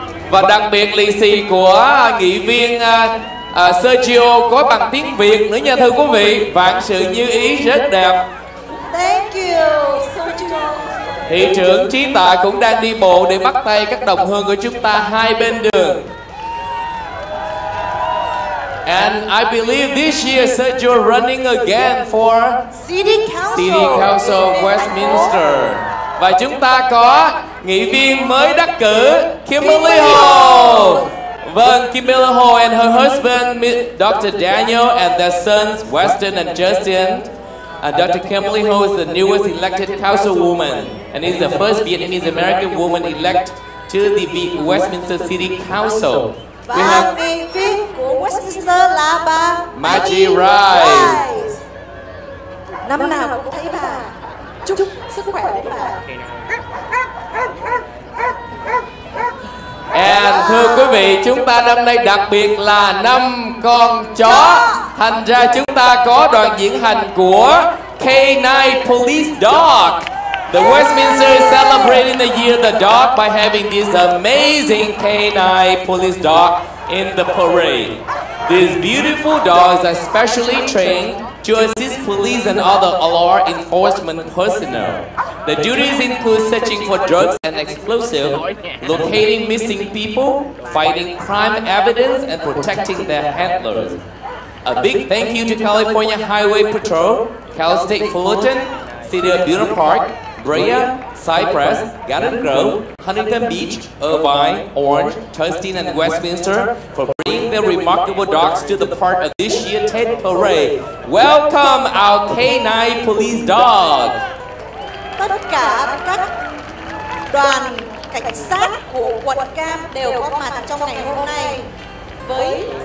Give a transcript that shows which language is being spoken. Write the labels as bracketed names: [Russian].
[Vietnamese] Và đặc biệt lì xì của nghị viên Sergio có bằng tiếng Việt nữa nha thưa quý vị. Vạn sự như ý, rất đẹp. [English] Thank you, Sergio. [Vietnamese] Thị trưởng Trí Tạ cũng đang đi bộ để bắt tay các đồng hương của chúng ta hai bên đường. [English] And I believe this year Sergio running again for City Council of Westminster. [Vietnamese] Và chúng ta có nghị viên mới đắc cử, Kimberly Ho. Vâng, [English] Kimberly Ho and her husband, Dr. Daniel, and their sons, Weston and Justin. Dr. Kimberly Ho is the newest elected councilwoman, and is the first Vietnamese-American woman elected to the Westminster City Council. [Vietnamese] Và nghị viên của Westminster là bà Maggie Rice. Năm nào cũng thấy bà. Chúc sức khỏe đến bà. And thưa quý vị, chúng ta năm nay đặc biệt là năm con chó. Thành ra chúng ta có đoàn diễn hành của K9 Police Dog. [English] The Westminster is celebrating the year of the dog by having this amazing K9 Police Dog in the parade. These beautiful dogs are specially trained to assist police and other law enforcement personnel. The duties include searching for drugs and explosives, locating missing people, fighting crime evidence, and protecting their handlers. A big thank you to California Highway Patrol, Cal State Fullerton, Cedar Beautiful Park, Brea, Cypress, Garden Grove, Huntington Beach, Irvine, Orange, Tustin, and Westminster for bringing their remarkable dogs to the part of this year's Ted Parade. Welcome our K-9 police dog! [Vietnamese] Tất cả các đoàn cảnh sát của quận Cam đều có mặt trong ngày hôm nay với